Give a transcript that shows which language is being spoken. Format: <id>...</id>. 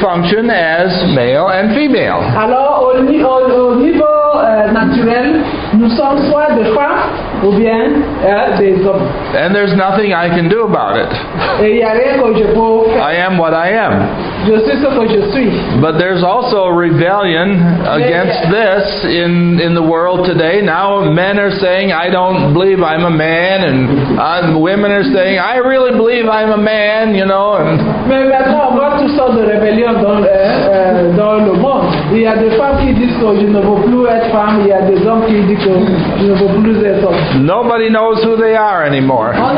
<en>function as male and female.</en> <fr>Alors, au niveau naturel, nous sommes soit des femmes ou bien des hommes.</fr> <en>And there's nothing I can do about it.</en> <fr>Et y a rien que je peux faire.</fr> <en>I am what I am.</en> <fr>Je suis ce que je suis.</fr> <en>But there's also rebellion against this in the world today. Now men are saying, I don't believe I'm a man, and women are saying, I really believe I'm a man, you know. And</en> <fr>mais maintenant, on voit toutes sortes de rébellions dans le monde. Il y a des femmes qui disent que je ne veux plus être femme. Il y a des hommes qui disent que je ne veux plus être homme.</fr> <en>Nobody knows who they are anymore.</en>